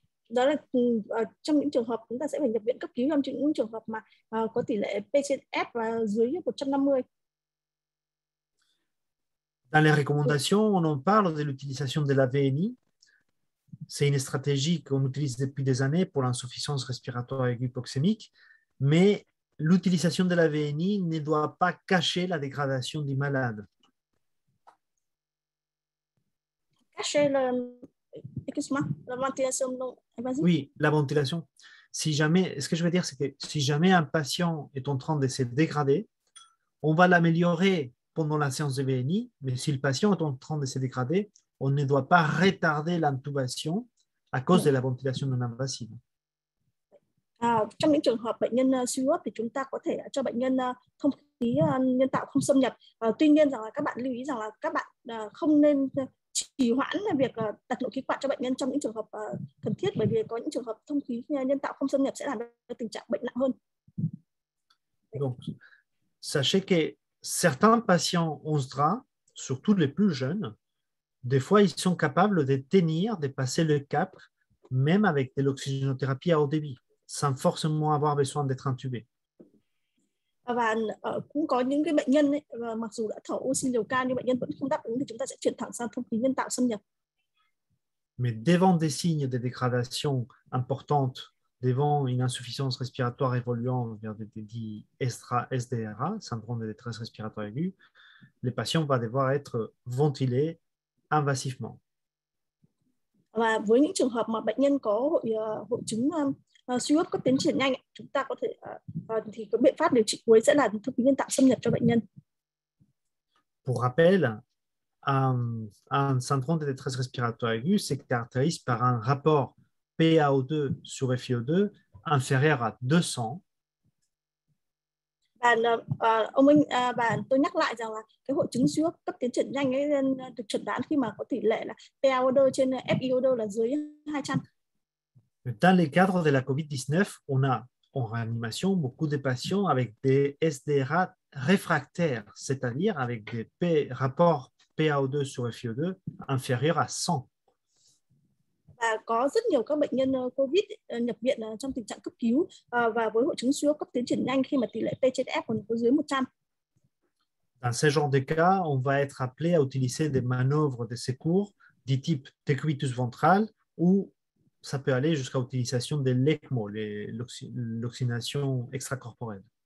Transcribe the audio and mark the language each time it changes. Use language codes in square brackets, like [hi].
[vi] Đó là trong những trường hợp chúng ta sẽ phải nhập viện cấp cứu, trong những trường hợp mà có tỷ lệ PCF dưới 150. [fr] Dans les recommandations, on en parle de l'utilisation de la VNI. C'est une stratégie qu'on utilise depuis des années pour l'insuffisance respiratoire aiguë hypoxémique, mais l'utilisation de la VNI ne doit pas cacher la dégradation du malade. chercher le... Excuse-moi, la ventilation. Non. Vas-y. Oui, la ventilation. Si jamais, ce que je veux dire, c'est que si jamais un patient est en train de se dégrader, on va l'améliorer pendant la séance de VNI, mais si le patient est en train de se dégrader, on ne doit pas retarder l'intubation à cause de la ventilation non invasive. [vi] Trong những trường hợp bệnh nhân suy hô hấp thì chúng ta có thể cho bệnh nhân thông khí nhân tạo không xâm nhập. Tuy nhiên rằng là các bạn lưu ý rằng là các bạn không nên trì hoãn việc đặt nội khí quản cho bệnh nhân trong những trường hợp cần thiết, bởi vì có những trường hợp thông khí nhân tạo không xâm nhập sẽ làm tình trạng bệnh nặng hơn. [fr] Donc, sachez que certains patients en SDRA, surtout les plus jeunes, des fois ils sont capables de tenir, de passer le cap, même avec de l'oxygénothérapie à haut débit, sans forcément avoir besoin d'être intubé. [vi] Và cũng có những cái bệnh nhân ấy, mặc dù đã thở oxy liều cao nhưng bệnh nhân vẫn không đáp ứng thì chúng ta sẽ chuyển thẳng sang thông khí nhân tạo xâm nhập. [fr] Mais devant des signes de dégradation importante, devant une insuffisance respiratoire évoluant vers des dits SDRA, SDRA, syndrome de détresse respiratoire aiguë, les patients vont devoir être ventilés invasivement. [vi] Và với những trường hợp mà bệnh nhân có hội chứng suy hấp có tiến triển nhanh, chúng ta có thể thì có biện pháp điều trị cuối sẽ là thông khí nhân tạo xâm nhập cho bệnh nhân. [fr] Pour rappel, un syndrome de détresse respiratoire aiguë se caractérise par un rapport PaO2 sur FiO2 inférieur à 200. [vi] Tôi nhắc lại rằng là cái hội chứng suy hấp cấp tiến triển nhanh ấy được chẩn đoán khi mà có tỷ lệ là PaO2 trên FiO2 là dưới 200. [fr] Dans les cadres de la COVID-19, on a en réanimation beaucoup de patients avec des SDRA réfractaires, c'est-à-dire avec des rapports PaO2 sur FiO2 inférieurs à 100. [vi] Và có rất nhiều các bệnh nhân COVID nhập viện trong tình trạng cấp cứu và với hội chứng suy hô hấp cấp tiến triển nhanh khi mà tỷ lệ P trên F còn dưới 100. [fr] Dans ce genre de cas, on va être appelé à utiliser des manœuvres de secours du type décubitus ventral ou ça peut aller jusqu'à l'utilisation de l'ECMO, l'oxygénation extracorporelle.